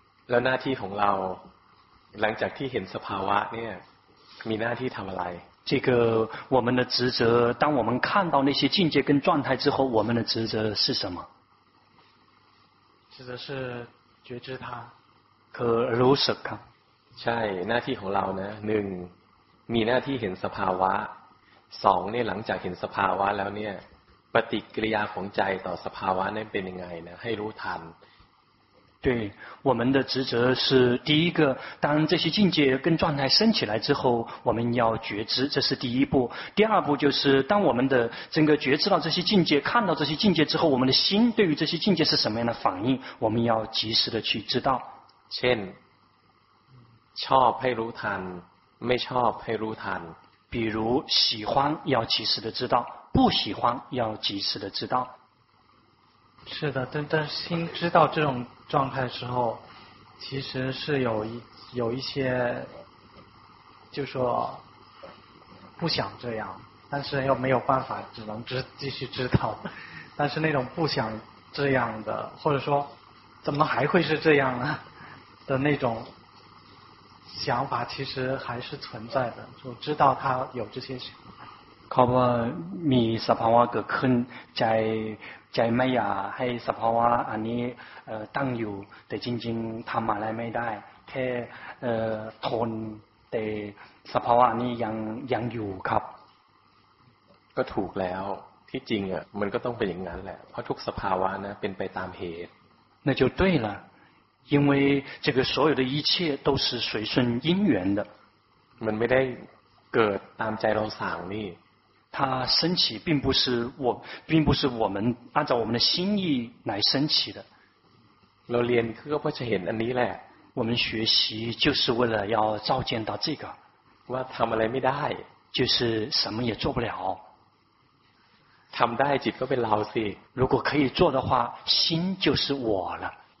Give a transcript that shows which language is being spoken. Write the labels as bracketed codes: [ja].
[th] แล้วหน้าที่ของเราหลังจากที่เห็นสภาวะเนี่ยมีหน้าที่ทำอะไร [zh] 这个我们的职责当我们看到那些境界跟状态之后我们的职责是什么职责是觉知它可如实看 [th] ใช่หน้าที่ของเรานะหนึ่งมีหน้าที่เห็นสภาวะสองเนี่ยหลังจากเห็นสภาวะแล้วเนี่ยปฏิกิริยาของใจต่อสภาวะนั้นเป็นยังไงนะให้รู้ทัน [zh] 对我们的职责是第一个当这些境界跟状态升起来之后我们要觉知这是第一步第二步就是当我们的整个觉知到这些境界看到这些境界之后我们的心对于这些境界是什么样的反应我们要及时的去知道 [th] เช่นชอบให้รู้ทันไม่ชอบให้รู้ทัน [zh] 比如喜欢要及时的知道不喜欢要及时的知道是的但心知道这种状态的时候其实是有一些就说不想这样但是又没有办法只能继续知道但是那种不想这样的或者说怎么还会是这样呢的那种想法其实还是存在的就知道他有这些想法 [th] ขอบคุณมีสภาวะเกิดขึ้นใจไม่อยากให้สภาวะอันนี้ตั้งอยู่แต่จริงๆทำอะไรไม่ได้แค่ทนแต่สภาวะนี้ยังอยู่ครับ ก็ถูกแล้วที่จริงอ่ะมันก็ต้องเป็นอย่างนั้นแหละเพราะทุกสภาวะนะเป็นไปตามเหตุ [zh] 那就对了因为这个所有的一切都是随顺因缘的 [th] มันไม่ได้เกิดตามใจเราสั่งนี่ [zh] 它升起并不是我们按照我们的心意来升起的 [th] เราเรียนเพื่อจะเห็นอันนี้แหละ [zh] 我们学习就是为了要照见到这个 [th] ว่าทำอะไรไม่ได้ [zh] 就是什么也做不了 [th] ทำได้จิตก็เป็นเราสิ [zh] 如果可以做的话心就是我了